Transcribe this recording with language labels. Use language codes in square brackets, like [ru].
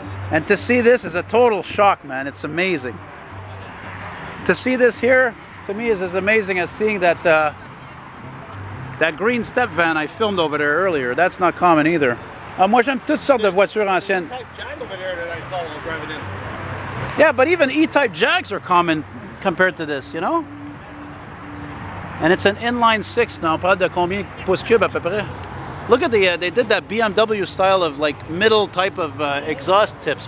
[en] And to see this is a total shock, man. It's amazing. To see this here, to me, is as amazing as seeing that that green step van I filmed over there earlier. That's not common either. [fr] Moi, j'aime toutes sortes de voitures anciennes. [en] E-type Jag over there that I saw while driving in. Yeah, but even E-type Jags are common compared to this, you know? And it's an inline six now. [fr] On parle de combien pouces cubes à peu près? [en] Look at they did that BMW style of like middle type of exhaust tips.